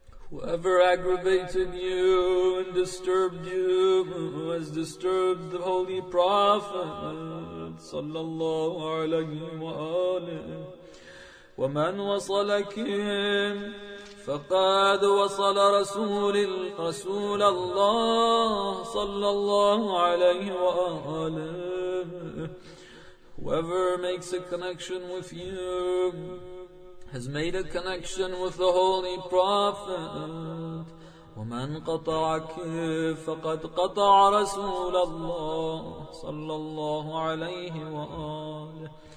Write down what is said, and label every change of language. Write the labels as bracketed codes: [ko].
[en] Whoever aggravated you and disturbed you has disturbed the Holy Prophet [ar] sallallahu alayhi wa alihi. وَمَنْ وَصَلَكِمْ فَقَدْ وَصَلَ رَسُولَ اللَّهِ sallallahu alayhi wa alihi. [en] Whoever makes a connection with you has made a connection with the Holy Prophet. [ar] وَمَنْ قَطَعَكِ فَقَدْ قَطَعَ رَسُولَ اللَّهِ صَلَّى اللَّهُ عَلَيْهِ وَآلِهِ.